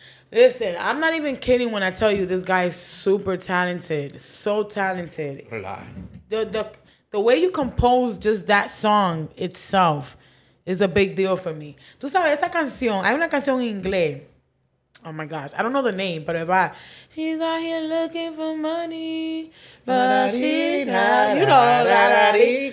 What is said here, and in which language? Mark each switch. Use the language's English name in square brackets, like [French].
[English] Listen, I'm not even kidding when I tell you this guy is super talented. So talented. The way you compose just that song itself is a big deal for me. [Spanish] Tú sabes, esa canción, hay una canción en inglés. [English] Oh my gosh, I don't know the name, but about she's out here looking for money, but she's not, you know.